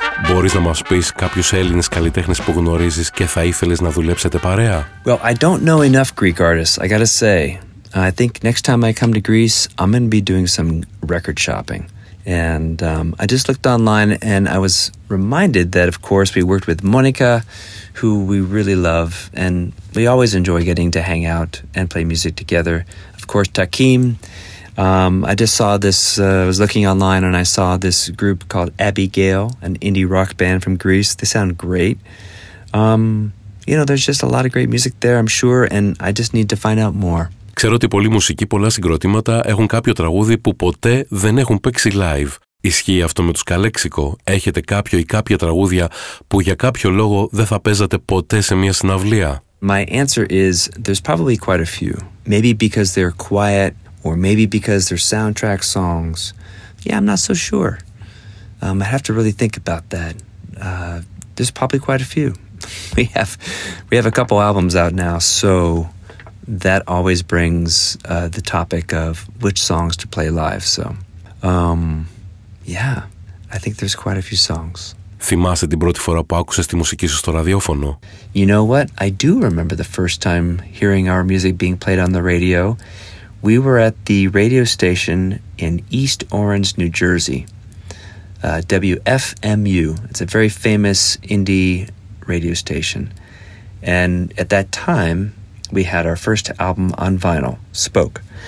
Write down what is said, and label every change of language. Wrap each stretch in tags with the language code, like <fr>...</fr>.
<el>μπορείς να μας πεις κάποιους Έλληνες καλλιτέχνες που γνωρίζεις και θα ήθελες να δουλέψετε παρέα?</el> <en>Well, I don't know enough Greek artists, I gotta say. I think next time I come to Greece, I'm gonna be doing some record shopping. And I just looked online and I was reminded that, of course, we worked with Monica, who we really love, and we always enjoy getting to hang out and play music together. Of course, Takim. I just saw this, I was looking online and I saw this group called Abigail, an indie rock band from Greece. They sound great. You know, there's just a lot of great music there, I'm sure, and I just need to find out more.</en> <el>Ξέρω ότι πολλοί μουσικοί, πολλά συγκροτήματα έχουν κάποιο τραγούδι που ποτέ δεν έχουν παίξει live. Ισχύει αυτό με τους Καλέξικο? Έχετε κάποιο ή κάποια τραγούδια που για κάποιο λόγο δεν θα παίζατε ποτέ σε μια συναυλία?</el> <en>My answer is there's probably quite a few. Maybe because they're quiet, or maybe because they're soundtrack songs. Yeah, I'm not so sure. I have to really think about that. There's probably quite a few. We have a couple albums out now, so that always brings the topic of which songs to play live. So, yeah, I think there's quite a few songs.</en> <el>Θυμάσαι την πρώτη φορά που άκουσες τη μουσική σου στο ραδιόφωνο?</el> <en>You know what? I do remember the first time hearing our music being played on the radio. We were at the radio station in East Orange, New Jersey, WFMU. It's a very famous indie radio station. And at that time, we had our first album on vinyl, Spoke.</en>